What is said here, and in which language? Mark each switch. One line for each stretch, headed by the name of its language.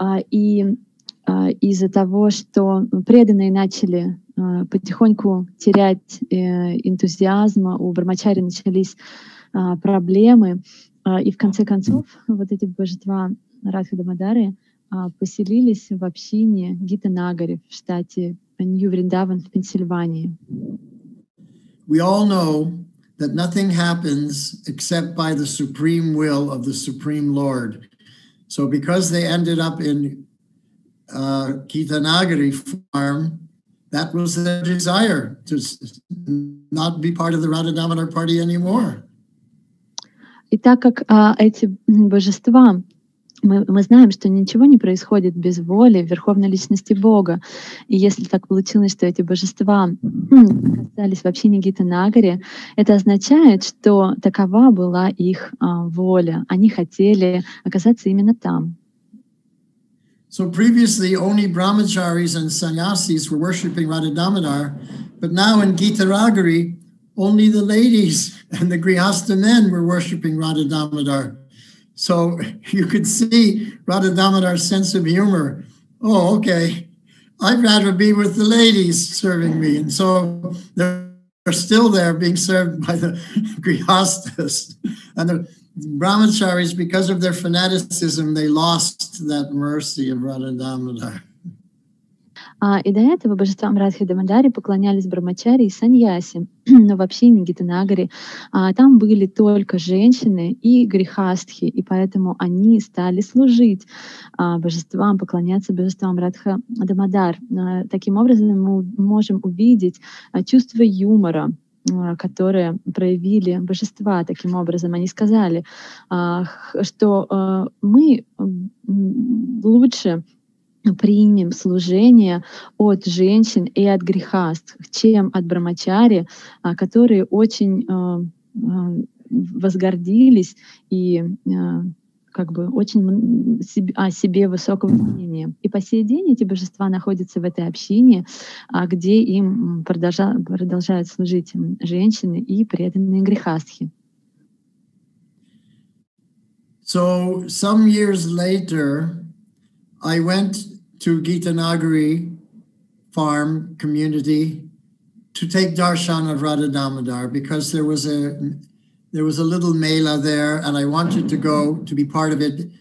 Russian: и из-за того, что преданные начали потихоньку терять энтузиазм, у брахмачари начались проблемы, и в конце концов вот эти божества Радха Дамодары поселились в общине Гита Нагари в штате Нью-Вриндаван в Пенсильвании.
English: We all know that nothing happens except by the supreme will of the Supreme Lord. So because they ended up in Gita Nagari farm, that was their desire to not be part of the Radha Damodar party anymore.
Russian: И так как эти божества, мы знаем, что ничего не происходит без воли Верховной Личности Бога. И если так получилось, что эти божества оказались в общине Гита Нагари, это означает, что такова была их воля. Они хотели оказаться именно там.
English: So previously only brahmacharis and sannyasis were worshipping Radha Damodar, but now in Gita Nagari only the ladies and the grihastha men were worshipping Radha Damodar. So you could see Radha Damodar's sense of humor. Oh, okay. I'd rather be with the ladies serving me. And so they're still there being served by the grihasthas. And the brahmacharis, because of their fanaticism, they lost that mercy of Radha Damodar.
Russian: И до этого божествам Радхи Дамодари поклонялись брамачари и саньяси, но в общине Гитанагари там были только женщины и грихастхи, и поэтому они стали служить божествам, поклоняться божествам Радха Дамодар. Таким образом, мы можем увидеть чувство юмора, которые проявили божества таким образом. Они сказали, что мы лучше примем служение от женщин и от грихаст, чем от брамачари, которые очень возгордились и как бы очень о себе высокого мнения. И по сей день эти божества находятся в этой общине, где им продолжают служить женщины и преданные грехастхи.
English: So, some years later, I went to Gitanagari farm community to take darshan of Radha Damodar because there was a little mela there, and I wanted to go to be part of it.